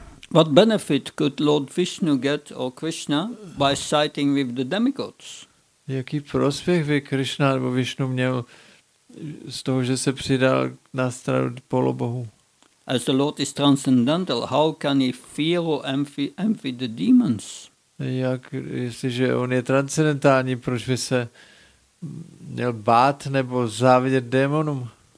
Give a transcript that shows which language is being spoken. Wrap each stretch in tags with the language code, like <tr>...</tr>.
<en>What benefit could Lord Vishnu get or Krishna by siding with the demigods?</en> <cs>Jaký prospěch by Krishna nebo Vishnu měl z toho, že se přidal na stranu polobohu?</cs> <en>As the Lord is transcendental, how can he fear or envy the demons?</en> <cs>Jak, jestliže on je transcendentální, proč by se měl bát nebo závidět démonům?</cs>